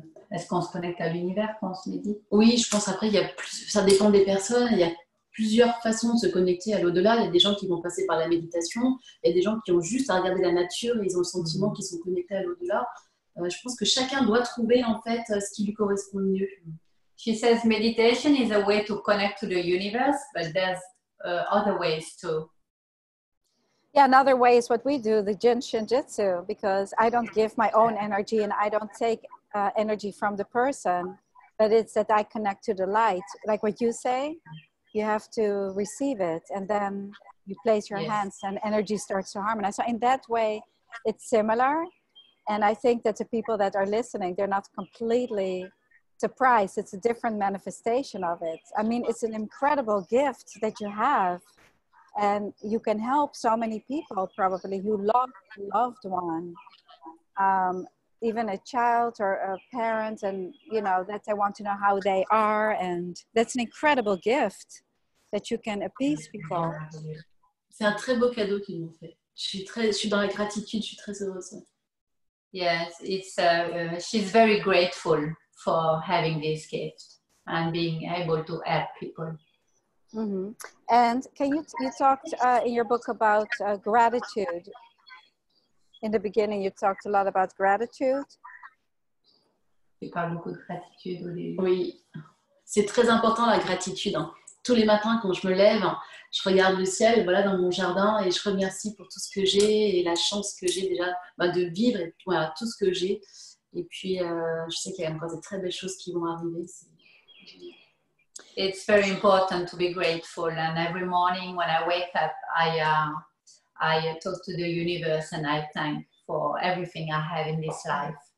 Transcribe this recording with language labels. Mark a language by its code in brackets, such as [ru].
[fr] Est-ce qu'on se connecte à l'univers quand on se médite? Oui, je pense. Après, ça dépend des personnes. Il y a plusieurs façons de se connecter à l'au-delà. Il y a des gens qui vont passer par la méditation. Il y a des gens qui ont juste à regarder la nature et ils ont le sentiment qu'ils sont connectés à l'au-delà. Je pense que chacun doit trouver en fait ce qui lui correspond mieux. [en] She says meditation is a way to connect to the universe, but there's other ways too. Yeah, another way is what we do, the jinshinjutsu, because I don't give my own energy and I don't take energy from the person, but it's that I connect to the light. Like what you say, you have to receive it and then you place your hands and energy starts to harmonize. So in that way, it's similar. And I think that the people that are listening, they're not completely... surprise, it's a different manifestation of it. I mean, it's an incredible gift that you have, and you can help so many people probably who love a loved one even a child or a parent, and you know that they want to know how they are, and that's an incredible gift that you can appease people. [fr] C'est un très beau cadeau qu'ils m'ont fait. Je suis dans la gratitude. Je suis très heureuse. [en] Yes, it's she's very grateful for having this gift and being able to help people. Mm-hmm. And can you talked in your book about gratitude? In the beginning, you talked a lot about gratitude. [fr] Je parle beaucoup de gratitude. Oui, c'est très important la gratitude. Tous les matins, quand je me lève, je regarde le ciel, voilà, dans mon jardin, et je remercie pour tout ce que j'ai et la chance que j'ai déjà de vivre, et voilà, tout ce que j'ai. Et puis, je sais qu'il y a encore des très belles choses qui vont arriver. [en] It's very important to be grateful. And every morning when I wake up, I talk to the universe and I thank for everything I have in this life.